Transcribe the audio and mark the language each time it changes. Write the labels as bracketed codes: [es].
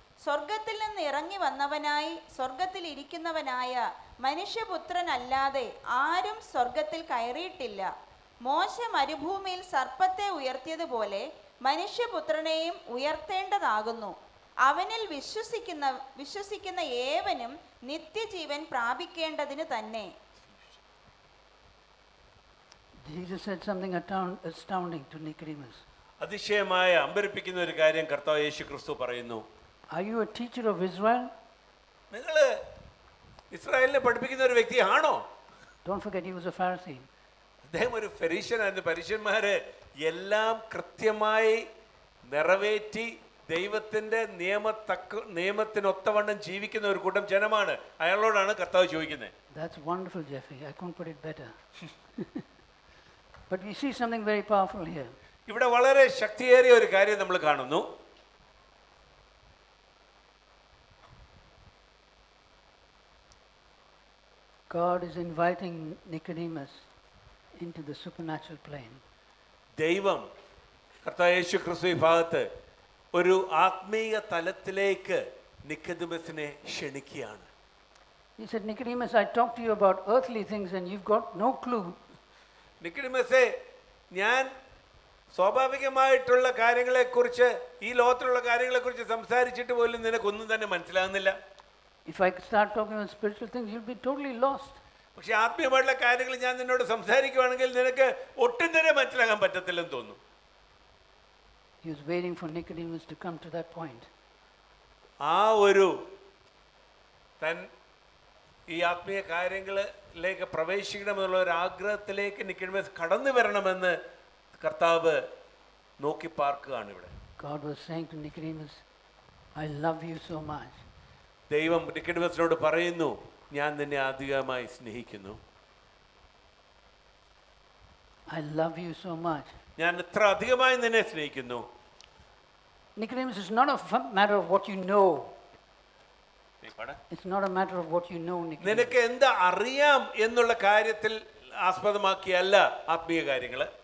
[ml] സ്വർഗത്തിൽ നിന്ന് ഇറങ്ങി വന്നവനായി സ്വർഗത്തിൽ ഇരിക്കുന്നവനായ മനുഷ്യപുത്രനല്ലാതെ ആരും സ്വർഗത്തിൽ കയറിയിട്ടില്ല. മോശ മരുഭൂമിയിൽ സർപ്പത്തെ ഉയർത്തിയതുപോലെ മനുഷ്യപുത്രനെയും ഉയർത്തേണ്ടതാകുന്നു. അവനിൽ വിശ്വസിക്കുന്ന ഏവനും നിത്യജീവൻ പ്രാപിക്കേണ്ടതിന് തന്നെ. [en] Jesus said something astounding to Nicodemus. [ml] അതിശയമായി അമ്പരപ്പിക്കുന്ന ഒരു കാര്യം കർത്താവ് യേശുക്രിസ്തു പറയുന്നു. [en] Are you a teacher of Israel? [ml] നിങ്ങൾ ഇസ്രായേലിനെ പഠിപ്പിക്കുന്ന ഒരു വ്യക്തിയാണോ? [en] Don't forget he was a Pharisee. [ml] അദ്ദേഹം ഒരു ഫരീശനായിരുന്നു. പരീശന്മാരെ എല്ലാം കൃത്യമായി നിറവേറ്റി ദൈവത്തിൻ്റെ നിയമത്തിനൊത്തവണ്ണം ജീവിക്കുന്ന ഒരു കൂട്ടം ജനമാണ്. അയാളോടാണ് കർത്താവ് ചോദിക്കുന്നത്. [en] That's wonderful, Jeffrey. I couldn't put it better. But we see something very powerful here. [ml] ഇവിടെ വളരെ ശക്തിയേറിയ ഒരു കാര്യം നമ്മൾ കാണുന്നു. [en] God is inviting Nicodemus into the supernatural plane. [ml] ദൈവം കർത്താവ് യേശു ക്രിസ്തു വിഭാഗത്തെ ഒരു ആത്മീയ തലത്തിലേക്ക് നിക്കദമസിനെ ക്ഷണിക്കുകയാണ്. [en] He said, Nicodemus, I talked to you about earthly things and you've got no clue. [ml] നിക്കദമസേ, ഞാൻ സ്വാഭാവികമായിട്ടുള്ള കാര്യങ്ങളെക്കുറിച്ച്, ഈ ലോകത്തിലുള്ള കാര്യങ്ങളെക്കുറിച്ച് സംസാരിച്ചിട്ട് പോലും നിനക്കൊന്നും തന്നെ മനസ്സിലാകുന്നില്ല. [en] If I start talking about spiritual things, you'll be totally lost. [ml] പക്ഷേ ആത്മീയമായിട്ടുള്ള കാര്യങ്ങൾ ഞാൻ നിന്നോട് സംസാരിക്കുകയാണെങ്കിൽ നിനക്ക് ഒട്ടും തന്നെ മനസ്സിലാക്കാൻ പറ്റത്തില്ലെന്ന് തോന്നുന്നു. [en] He was waiting for Nicodemus to come to that point. [ml] ആ ഒരു തൻ ഈ ആത്മീയ കാര്യങ്ങളിലേക്ക് പ്രവേശിക്കണമെന്നുള്ള ഒരു ആഗ്രഹത്തിലേക്ക് നിക്കഡിമസ് കടന്നു വരണമെന്ന് കർത്താവ് നോക്കി പാർക്കുകയാണ് ഇവിടെ. [en] God was saying to Nicodemus, I love you so much. [ml] ദൈവം നിക്കഡിമസിനോട് പറയുന്നു, ഞാൻ നിന്നെ അധികമായി സ്നേഹിക്കുന്നു. [en] I love you so much. [ml] ഞാൻ ഇത്ര അധികമായി നിന്നെ സ്നേഹിക്കുന്നു. [en] Nicodemus, it's not a matter of what you know. It's not a matter of what you know, Nicodemus. [ml] നിനക്ക് എന്താ അറിയാം എന്നുള്ള കാര്യത്തിൽ ആസ്പദമാക്കിയല്ല ആത്മീയ കാര്യങ്ങൾ.